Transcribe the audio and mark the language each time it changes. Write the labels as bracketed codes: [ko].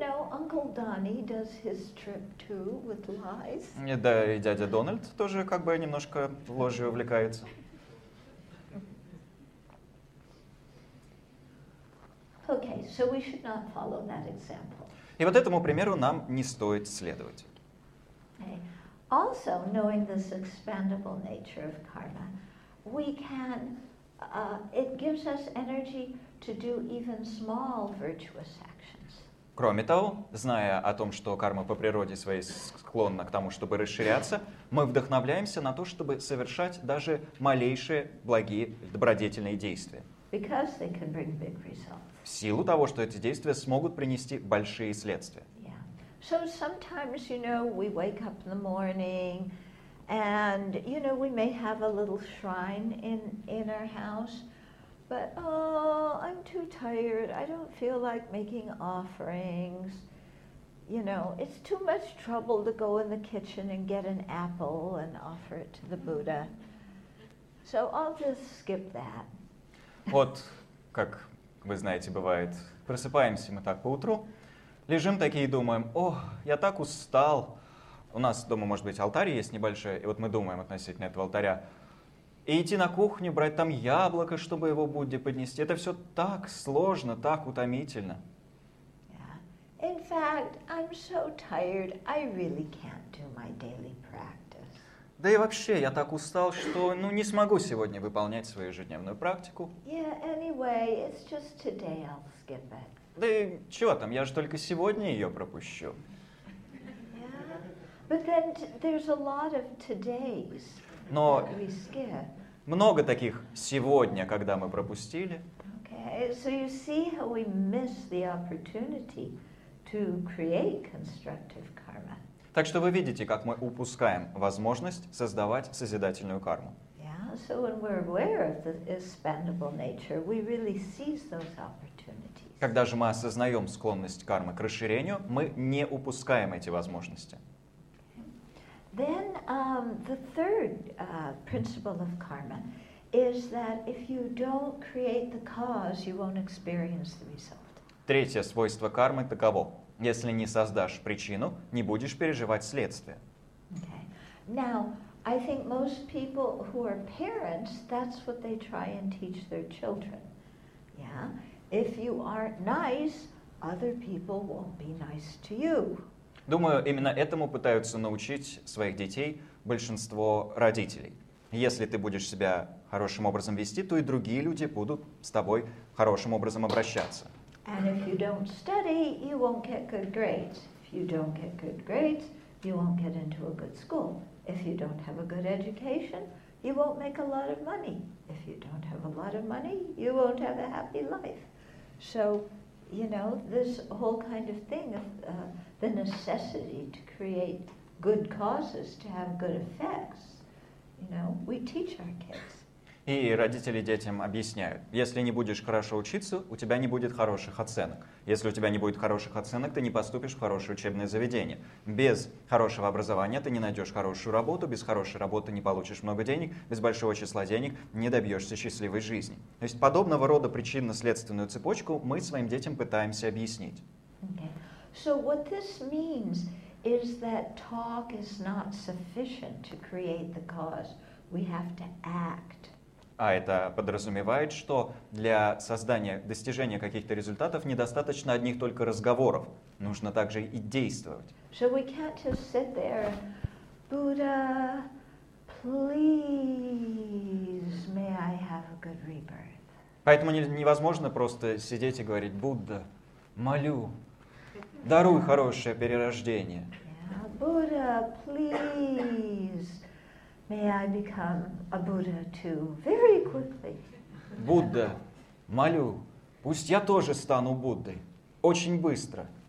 [en] Uncle Donnie does his trip too with lies. [ru] Да, и дядя Дональд тоже как бы немножко ложью увлекается. [en] Okay, so we should not follow that example. [ru] И вот этому примеру нам не стоит следовать. [en] Okay. Also, knowing this expandable nature of karma, we can it gives us energy to do even small virtuous actions. [ru] Кроме того, зная о том, что карма по природе своей склонна к тому, чтобы расширяться, мы вдохновляемся на то, чтобы совершать даже малейшие благие добродетельные действия. [en] Because they can bring big results. [ru] В силу того, что эти действия смогут принести большие следствия. [en] Yeah. So sometimes, you know, we wake up in the morning, and, you know, we may have a little shrine in our house. But, oh, I'm too tired. I don't feel like making offerings. You know, it's too much trouble to go in the kitchen and get an apple and offer it to the Buddha. So I'll just skip that. [ru] Вот, как вы знаете, бывает, просыпаемся мы так поутру, лежим такие и думаем, ох, я так устал. У нас дома, может быть, алтарь есть небольшой, и вот мы думаем относительно этого алтаря, и идти на кухню, брать там яблоко, чтобы его Будде поднести. Это все так сложно, так утомительно. [en] Yeah. In fact, I'm so tired, I really can't do my daily practice. [ru] Да и вообще, я так устал, что, ну, не смогу сегодня выполнять свою ежедневную практику. [en] Yeah, anyway, it's just today I'll skip it. [ru] Да и чего там, я же только сегодня ее пропущу. [en] Yeah. But then there's a lot of today's. [ru] Но много таких сегодня, когда мы пропустили. [en] Okay, so you see how we miss the opportunity to create constructive karma. [ru] Так что вы видите, как мы упускаем возможность создавать созидательную карму. [en] Yeah, so when we're aware of the expandable nature, we really seize those opportunities. [ru] Когда же мы осознаем склонность кармы к расширению, мы не упускаем эти возможности. [en] Then the third principle of karma is that if you don't create the cause, you won't experience the result. [ru] Третье свойство кармы таково: если не создашь причину, не будешь переживать следствие. [en] Okay. Now, I think most people who are parents, that's what they try and teach their children. Yeah? If you aren't nice, other people won't be nice to you. [ru] Думаю, именно этому пытаются научить своих детей большинство родителей. Если ты будешь себя хорошим образом вести, то и другие люди будут с тобой хорошим образом обращаться. [en] And if you don't study, you won't get good grades. If you don't get good grades, you won't get into a good school. If you don't have a good education, you won't make a lot of money. If you don't have a lot of money, you won't have a happy life. So, you know, this whole kind of thing of the necessity to create good causes to have good effects, you know, we teach our kids. [ru] И родители детям объясняют, если не будешь хорошо учиться, у тебя не будет хороших оценок. Если у тебя не будет хороших оценок, ты не поступишь в хорошее учебное заведение. Без хорошего образования ты не найдешь хорошую работу, без хорошей работы не получишь много денег, без большого числа денег не добьешься счастливой жизни. То есть подобного рода причинно-следственную цепочку мы своим детям пытаемся объяснить. [en] Okay. So what this means is that talk is not sufficient to create the cause. We have to act. [ru] А это подразумевает, что для создания, достижения каких-то результатов недостаточно одних только разговоров. Нужно также и действовать. [en] So we can't just sit there, Buddha, please, may I have a good rebirth. [ru] Поэтому невозможно просто сидеть и говорить, Будда, молю, даруй хорошее перерождение. [en] Yeah. Buddha, please. May I become a Buddha too, very quickly. [ru] Будда, молю, пусть я тоже стану Буддой, очень быстро.